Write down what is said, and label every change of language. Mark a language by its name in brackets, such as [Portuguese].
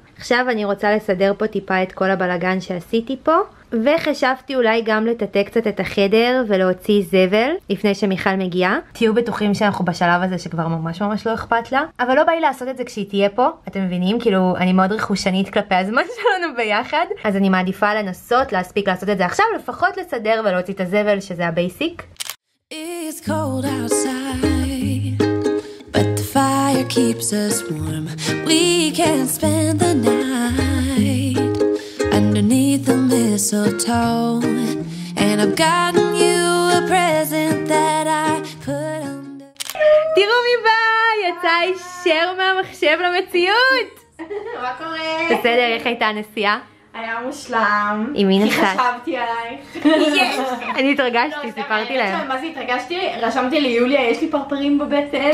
[Hebrew] עכשיו אני רוצה לסדר פה טיפה את כל הבלגן שעשיתי פה, וחשבתי אולי גם לטטק קצת את החדר ולהוציא זבל לפני שמיכל מגיעה. תהיו בטוחים שאנחנו בשלב הזה שכבר ממש ממש לא אכפת לה, אבל לא בא לי לעשות את זה כשהיא תהיה פה, אתם מבינים? כאילו אני מאוד רכושנית כלפי הזמן שלנו ביחד, אז אני מעדיפה לנסות להספיק לעשות את זה עכשיו, לפחות לסדר ולהוציא את הזבל, שזה הבייסיק. [English] It's cold outside, but the fire keeps us warm. We can't spend the night underneath the mistletoe. And I've gotten you a present that I put under. [Hebrew] תראו מי בא, יצא אישר מהמחשב למציאות. מה קורה? בסדר, איך הייתה הנסיעה? היה היה מושלם. עם מי נחת? כי חשבתי עלייך. אני התרגשתי, סיפרתי להם. מה זה התרגשתי? רשמתי לי, יוליה, יש לי פרפרים בבטן.